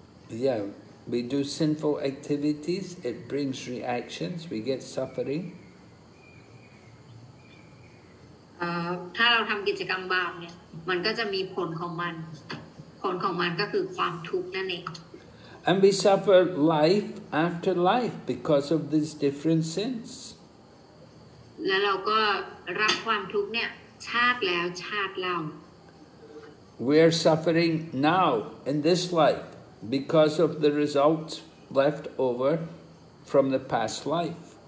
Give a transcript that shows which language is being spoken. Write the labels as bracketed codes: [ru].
[en] Yeah, we do sinful activities, it brings reactions, we get suffering. [th] ถ้าเราทำกิจกรรมบาปเนี่ยมันก็จะมีผลของมันผลของมันก็คือความทุกข์นั่นเอง [en] And we suffer life after life because of these different sins [th] แล้วเราก็รับความทุกข์เนี่ยชาติแล้วชาติเล่า [en] We are suffering now in this life because of the results left over from the past life